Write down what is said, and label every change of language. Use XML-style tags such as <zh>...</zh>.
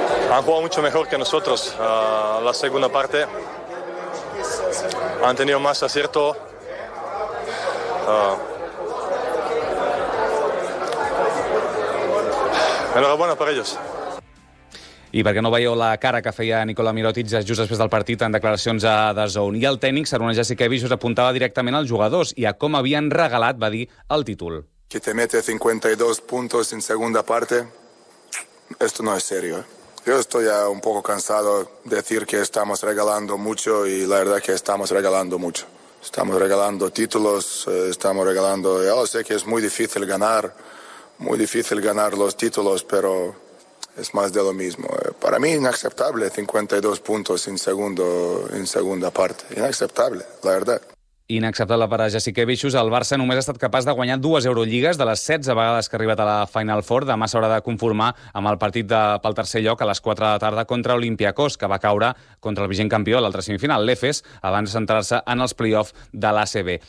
<es>Han jugado mucho mejor que nosotros la segunda parte. Han tenido más acierto. Enhorabuena para ellos.</es> <ca>I perquè no veieu la cara que feia Nikola Mirotić just després del partit en declaracions a The Zone. I el tècnic, Saruna Jasikevic, us apuntava directament als jugadors i a com havien regalat, va dir, el títol.</ca> <es>Que te mete 52 puntos en segunda parte, esto no es serio, ¿eh? Yo estoy ya un poco cansado de decir que estamos regalando mucho y la verdad que estamos regalando mucho. Estamos regalando títulos, estamos regalando... Yo sé que es muy difícil ganar los títulos, pero es más de lo mismo. Para mí inaceptable 52 puntos en segunda parte. Inaceptable, la verdad.</es> <ca>Inacceptable per a Jasikevic. El Barça només ha estat capaç de guanyar dues Eurolligues de les 16 vegades que ha arribat a la Final Four. Demà s'haurà de conformar amb el partit pel tercer lloc a les 4 de la tarda contra l'Olympiacos, que va caure contra el vigent campió a l'altra semifinal, l'Efes, abans de centrar-se en els play-offs de l'ACB.</ca>